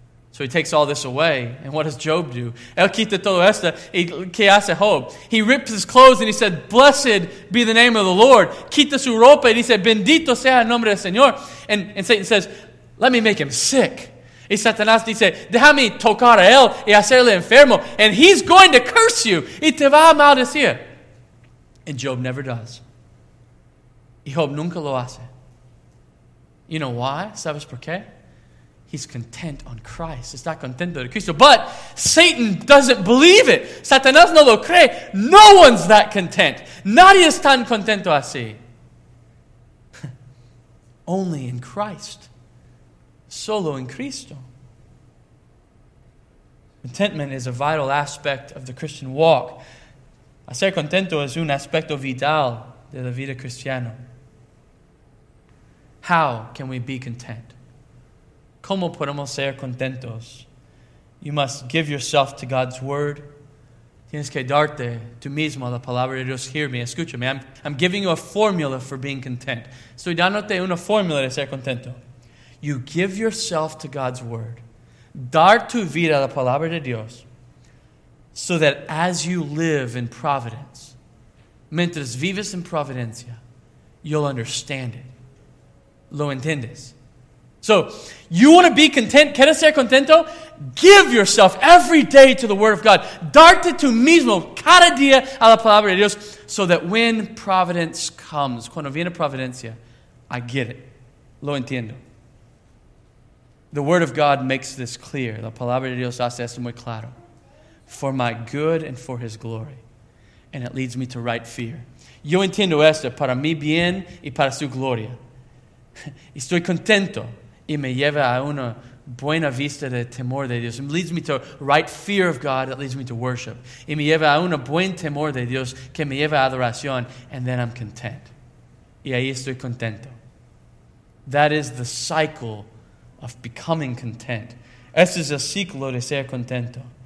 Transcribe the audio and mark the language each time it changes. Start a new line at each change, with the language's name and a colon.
English: So he takes all this away. And what does Job do?
Spanish: El quita todo esto. ¿Qué hace Job?
English: He rips his clothes and he said, blessed be the name of the Lord.
Spanish: Quita su ropa.
English: And he said,
Spanish: bendito sea el nombre del Señor.
English: And Satan says, let me make him sick.
Spanish: Y Satanás dice, déjame tocar a él y hacerle enfermo.
English: And he's going to curse you.
Spanish: Y te va a maldecir.
English: And Job never does.
Spanish: Y Job nunca lo hace.
English: You know why?
Spanish: ¿Sabes por qué?
English: He's content on Christ. He's not
Spanish: contento de Cristo.
English: But Satan doesn't believe it.
Spanish: Satanás no lo cree.
English: No one's that content.
Spanish: Nadie es tan contento así.
English: Only in Christ.
Spanish: Solo en Cristo.
English: Contentment is a vital aspect of the Christian walk.
Spanish: Hacer contento es un aspecto vital de la vida cristiana.
English: How can we be content?
Spanish: ¿Cómo podemos ser contentos?
English: You must give yourself to God's word.
Spanish: Tienes que darte tú mismo la palabra de Dios.
English: Hear me,
Spanish: escúchame.
English: I'm giving you a formula for being content.
Spanish: Estoy dándote una formula de ser contento.
English: You give yourself to God's word.
Spanish: Dar tu vida a la palabra de Dios.
English: So that as you live in providence,
Spanish: mientras vives en providencia,
English: you'll understand it.
Spanish: Lo entiendes.
English: So, you want to be content?
Spanish: ¿Quieres ser contento?
English: Give yourself every day to the Word of God.
Spanish: Darte tú mismo cada día a la palabra de Dios.
English: So that when providence comes,
Spanish: cuando viene providencia,
English: I get it.
Spanish: Lo entiendo.
English: The Word of God makes this clear.
Spanish: La palabra de Dios hace esto muy claro.
English: For my good and for His glory. and it leads me to right fear.
Spanish: Yo entiendo esto para mi bien y para su gloria. Estoy contento y me lleva a una buena vista de temor de Dios.
English: It leads me to right fear of God. It leads me to worship.
Spanish: Y me lleva a una buen temor de Dios que me lleva a adoración.
English: And then I'm content.
Spanish: Y ahí estoy contento.
English: That is the cycle of becoming content.
Spanish: Este es el ciclo de ser contento.